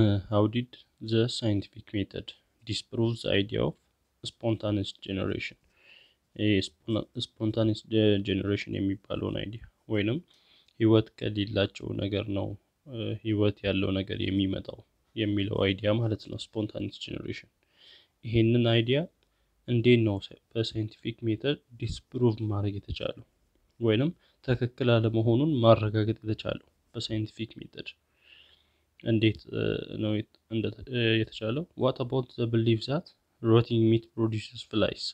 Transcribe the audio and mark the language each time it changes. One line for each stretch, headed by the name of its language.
English: How did the scientific method disprove the idea of spontaneous generation?
Amharic: Spontaneous generation የሚባለውን አይዲያ ወይንም ህይወት ከሌላቸው ነገር ነው ህይወት ያለው ነገር የሚመጣው የሚለው አይዲያ ማለት ነው። spontaneous generation ይሄንን አይዲያ እንዴት ነው በሳይንቲፊክ ሜተድ ዲስፕሩቭ ማድረግ የተቻለው ወይንም ትክክል አለመሆኑን ማረጋገጥ የተቻለው በሳይንቲፊክ ሜተድ እንዴት ነው የተቻለው?
English: What about the belief that rotting meat produces flies?